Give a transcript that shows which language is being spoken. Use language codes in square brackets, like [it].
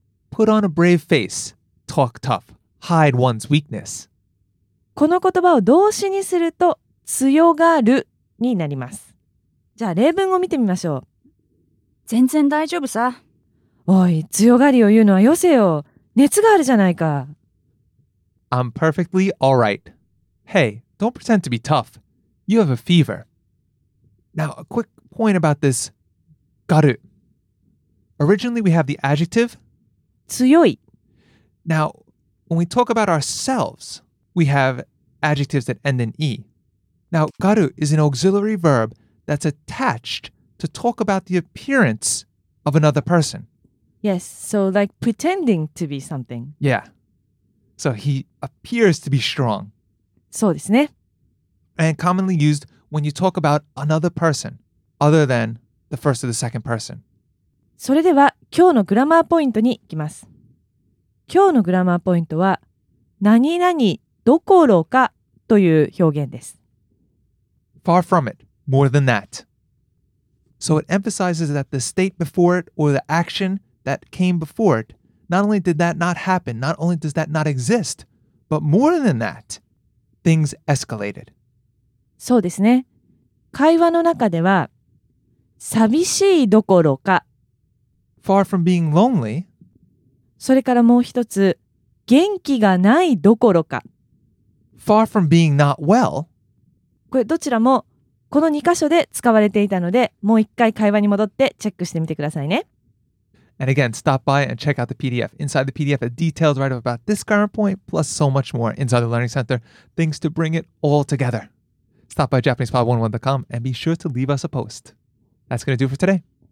[en] Put on a brave face. Talk tough. Hide one's weakness. [ja] この言葉を動詞にすると強がるになります。じゃあ例文を見てみましょう。全然大丈夫さ。おい、強がりを言うのはよせよ。熱があるじゃないか。 [en] I'm perfectly all right. Hey, don't pretend to be tough. You have a fever. Now, a quick point about this garu. Originally, we have the adjective [ja] 強い。 [en] Now, when we talk about ourselves, we have adjectives that end in e. Now, garu is an auxiliary verb that's attached to talk about the appearance of another person. Yes, so like pretending to be something. Yeah. So he appears to be strong. [ja] そうですね。 [en] And commonly used when you talk about another person, other than the first or the second person. [ja] それでは今日のグラマーポイントに行きます。今日のグラマーポイントは、何々どころかという表現です。 [en] Far from it, more than that. So it emphasizes that the state before it or the action that came before itNot only did that not happen, not only does that not exist, but more than that, things escalated. [ja] そうですね。会話の中では、寂しいどころか、 [en] far from being lonely, [ja] それからもう一つ、元気がないどころか、 [en] far from being not well, [ja] これどちらもこの2箇所で使われていたので、もう一回会話に戻ってチェックしてみてくださいね。 [en] And again, stop by and check out the PDF. Inside the PDF, a detailed write-up about this current point, plus so much more inside the Learning Center. Things to bring it all together. Stop by JapanesePod101.com and be sure to leave us a post. That's going to do for today.